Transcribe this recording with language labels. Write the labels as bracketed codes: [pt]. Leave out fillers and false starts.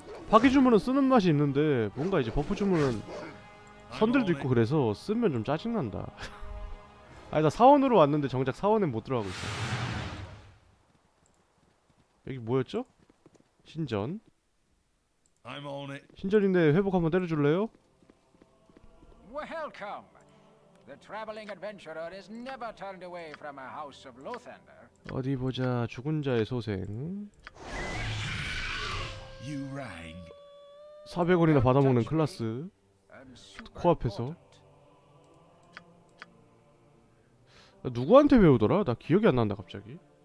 [ko] 파괴 주문은 쓰는 맛이 있는데 뭔가 이제 버프 주문은 선들도 있고 그래서 쓰면 좀 짜증난다. 아니, 나 사원으로 왔는데 정작 사원엔 못 들어가고 있어. 여기 뭐였죠? 신전. 신전인데 회복 한번 때려줄래요? [en] Welcome. The traveling adventurer is never turned away from a house of Lothander. [ko] 어디 보자, 죽은 자의 소생. 400원이나 받아먹는 클라스 코앞에서. 나 누구한테 배우더라? 나 기억이 안 난다 갑자기.